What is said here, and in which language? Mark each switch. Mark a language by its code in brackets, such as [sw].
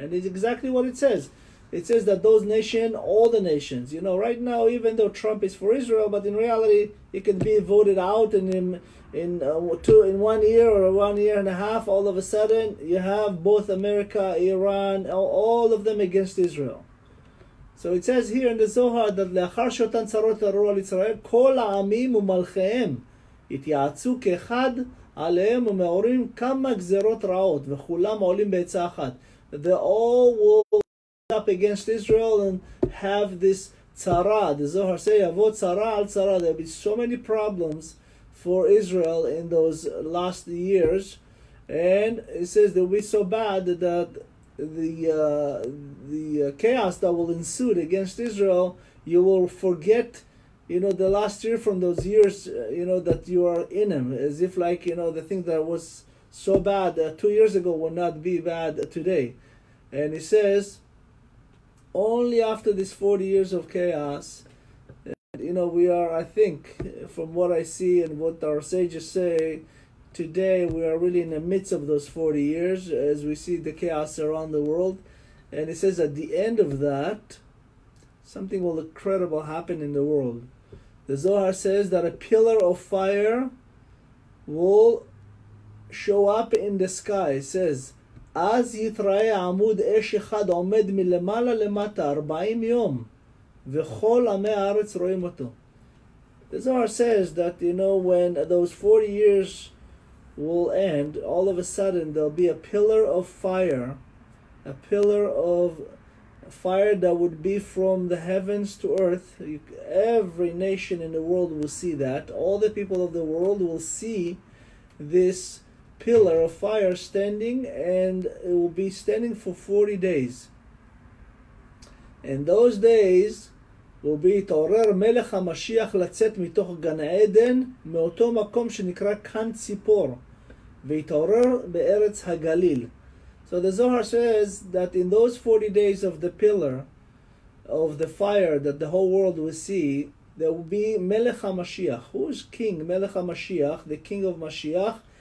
[en] And it's exactly what it says. It says that those nations, all the nations, you know, right now, even though Trump is for Israel, but in reality, he can be voted out in 1 year or 1 year and a half, all of a sudden, you have both America, Iran, all of them against Israel. So it says here in the Zohar that [he] לאחר שאותן צרות עררו על ישראל, כל העמים ומלכיהם התייעצו כאחד עליהם ומעוררים כמה גזרות רעות וכולם עולים בעצה אחת. [en] They all will up against Israel and have this צרה. The Zohar say, [he] יבוא צרה על צרה. [en] There will be so many problems for Israel in those last years. And it says they will be so bad that the chaos that will ensue against Israel, you will forget, you know, the last year from those years, you know, that you are in them, as if like, you know, the thing that was so bad 2 years ago will not be bad today. And he says, only after these 40 years of chaos, you know, we are, I think, from what I see and what our sages say, today we are really in the midst of those 40 years as we see the chaos around the world. And it says at the end of that, something will incredible happen in the world. The Zohar says that a pillar of fire will show up in the sky. It says, [he] אז יתראה עמוד אש אחד עומד מלמעלה למטה 40 יום, וכל עמי הארץ רואים אותו. [en] The Zohar says that, you know, when those 40 years will end, all of a sudden there'll be a pillar of fire, a pillar of fire that would be from the heavens to earth. Every nation in the world will see that. All the people of the world will see this pillar of fire standing, and it will be standing for 40 days. And those days will be [he] תעורר מלך המשיח לצאת מתוך גן עדן מאותו מקום שנקרא כאן ציפור, ויתעורר בארץ הגליל. [en] So the Zohar says that in those 40 days of the pillar of the fire that the whole world will see, there will be מלך המשיח. Who is king? מלך המשיח, the king of משיח.